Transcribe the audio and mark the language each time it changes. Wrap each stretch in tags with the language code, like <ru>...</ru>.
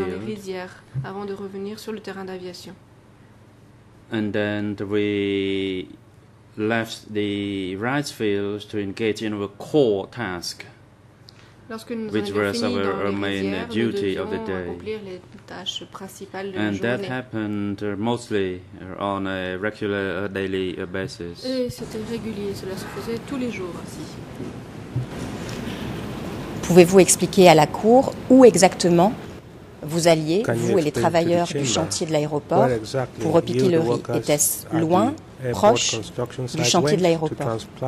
<fr>Dans les rizières avant de revenir sur le terrain d'aviation.</fr> <en>And then we left the rice fields to engage in our core task, which was our main duty of the day. And that happened mostly on a regular daily basis.</en> <fr>Et c'était régulier, cela se faisait tous les jours ainsi. Pouvez-vous expliquer à la cour où exactement vous alliez, vous et les travailleurs du chantier de l'aéroport, pour repiquer le riz? Était-ce loin, proche du chantier de l'aéroport?</fr>